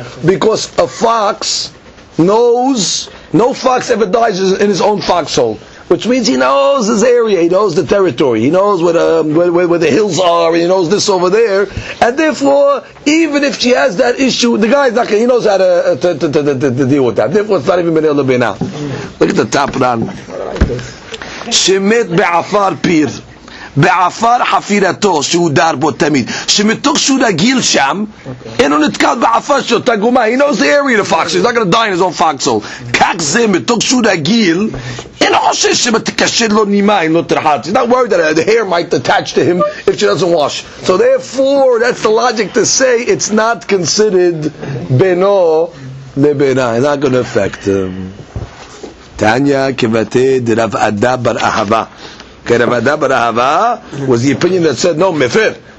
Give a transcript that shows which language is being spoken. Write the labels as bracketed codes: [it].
[en] Because a fox knows, no fox ever dies in his own foxhole. Which means he knows his area, he knows the territory, he knows where the hills are, he knows this over there. And therefore, even if she has that issue, the guy, he knows how to deal with that. Therefore, it's not even beno lebena. Look at the top run. [he] שמת בעפר פיר בעפר חפירתו שהוא דר בו תמיד שמתוך שהוא רגיל שם אינו נתקל בעפר של אותה גומה. [en] He knows the area of the fox, he's not going to die in his own foxhole. [he] כך זה מתוך שהוא רגיל אינו חושב שמתקשר לו נימה אם לא תרחץ. [en] He's not worried that the hair might attach to him if she doesn't wash. So therefore that's the logic to say it's not considered בינו לבינה. It's not going to affect him. [arc] Tanya kevate [en] de Rav Ada bar Ahava. Okay, Rav Ada bar Ahava was the opinion that said, no, mefer.